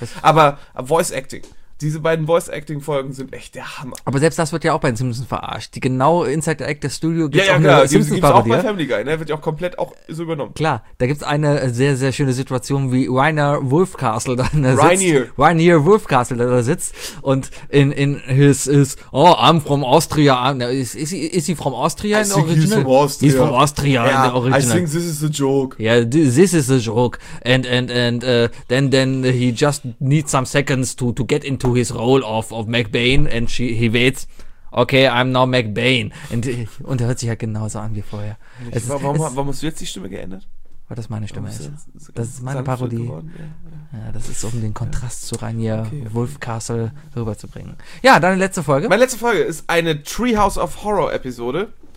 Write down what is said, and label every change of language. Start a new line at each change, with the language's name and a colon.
German: Aber Voice Acting. Diese beiden Voice-Acting-Folgen sind echt der Hammer. Aber selbst das wird ja auch bei den Simpsons verarscht. Die genaue Inside the Actors Studio gibt es auch, klar. Simpsons-Parodie. Gibt's auch bei Family Guy, ne? Wird ja auch komplett auch so übernommen. Klar, da gibt es eine sehr, sehr schöne Situation, wie Rainer Wolfcastle da sitzt. Rainer
English: Wolfcastle
German: da sitzt und
English: in his is, oh, I'm from Austria. Is he from Austria in the original? He's from Austria yeah, in the original. I think this is a joke. Yeah, this is a joke. And then he just needs some seconds to get in to his role of McBain and he waits, okay, I'm now McBain.
German: Und er hört sich halt genauso an wie vorher. Warum hast du jetzt die Stimme geändert? Weil das meine Stimme ist. Das ist meine Parodie. Geworden, ja. Ja, das ist, um den Kontrast zu Rainier Wolfcastle rüberzubringen. Ja, deine letzte Folge. Meine letzte Folge ist eine Treehouse of Horror Episode.